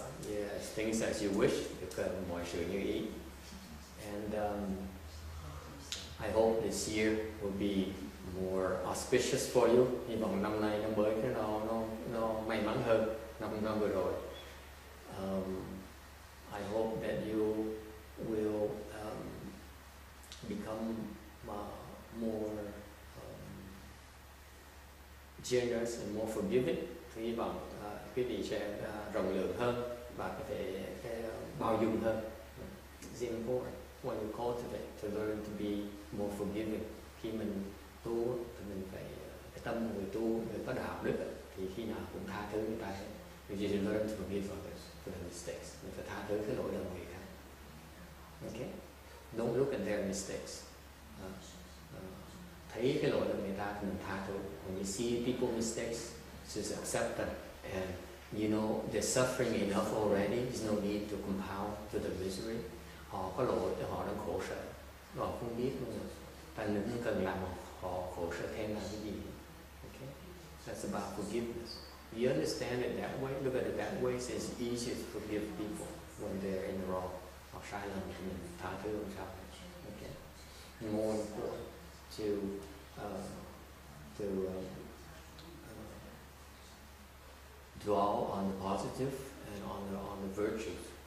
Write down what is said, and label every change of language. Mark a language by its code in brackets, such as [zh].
[en] Yes, things as you wish, [vi] được mọi sự như ý. [en] And I hope this year will be more auspicious for you. [vi] Hy vọng năm nay năm mới nó may mắn hơn năm vừa rồi. [en] I hope that you will become more generous and more forgiving. [vi] Hy vọng quý vị sẽ rộng lượng hơn và có thể bao dung hơn. [en] Zen for when you cultivate to learn to be more forgiving. [vi] Khi mình tu thì mình phải cái tâm người tu, người có đạo đức thì khi nào cũng tha thứ người ta hết. [en] We just learn to forgive others for their mistakes. [vi] Mình phải tha thứ cái lỗi lầm người khác. [en] Okay? Don't look at their mistakes. [vi] Thấy cái lỗi lầm người ta thì mình tha thứ. [en] When you see people's mistakes, just accept them. And you know they're suffering enough already. There's no need to compound to the misery. [vi] Họ có lỗi, họ đang khổ sở. Họ không biết luôn. Ta đừng cần làm họ khổ sở thêm là cái gì. [en] Okay? That's about forgiveness. We understand it that way. Look at it that way. So it's easier to forgive people when they're in the wrong. [vi] Họ sai lầm thì mình tha thứ làm sao? [en] Okay. More important to dwell on the positive and on the virtues.